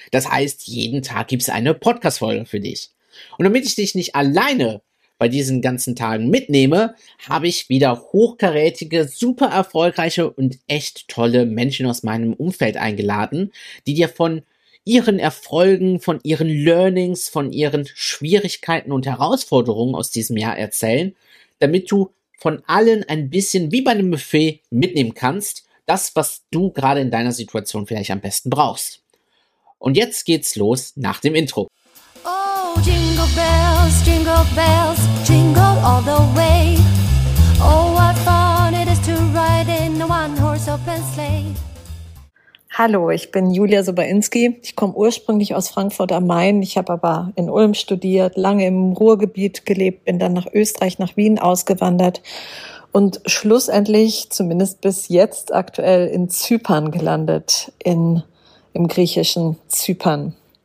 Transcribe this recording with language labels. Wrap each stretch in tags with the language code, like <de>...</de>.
<de>Das heißt, jeden Tag gibt's eine Podcast-Folge für dich. Und damit ich dich nicht alleine bei diesen ganzen Tagen mitnehme, habe ich wieder hochkarätige, super erfolgreiche und echt tolle Menschen aus meinem Umfeld eingeladen, die dir von ihren Erfolgen, von ihren Learnings, von ihren Schwierigkeiten und Herausforderungen aus diesem Jahr erzählen, damit du von allen ein bisschen wie bei einem Buffet mitnehmen kannst, das, was du gerade in deiner Situation vielleicht am besten brauchst. Und jetzt geht's los nach dem Intro.</de> <en>Oh, Jingle Bells, Jingle Bells, Jingle all the way. Oh, what fun it is to ride in a one-horse open sleigh.</en> <de>Hallo, ich bin Julia Sobainski. Ich komme ursprünglich aus Frankfurt am Main. Ich habe aber in Ulm studiert, lange im Ruhrgebiet gelebt, bin dann nach Österreich, nach Wien ausgewandert und schlussendlich, zumindest bis jetzt aktuell, in Zypern gelandet, im griechischen Zypern.</de>